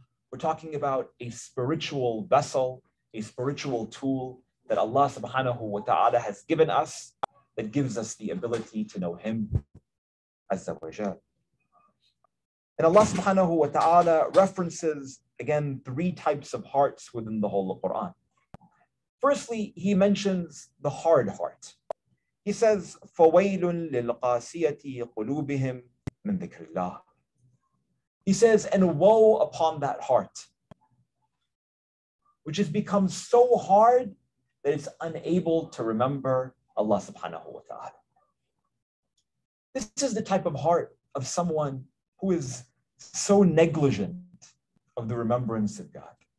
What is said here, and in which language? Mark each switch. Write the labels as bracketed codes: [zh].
[en] We're talking about a spiritual vessel, a spiritual tool that Allah subhanahu wa ta'ala has given us, that gives us the ability to know Him, Azza wa Jal. And Allah subhanahu wa ta'ala references, again, three types of hearts within the whole of Quran. Firstly, He mentions the hard heart. He says, [ar] فَوَيْلٌ لِلْقَاسِيَةِ قُلُوبِهِمْ مِنْ ذِكْرِ اللَّهِ. [en] He says, and woe upon that heart, which has become so hard that it's unable to remember Allah subhanahu wa ta'ala. This is the type of heart of someone who is so negligent of the remembrance of God.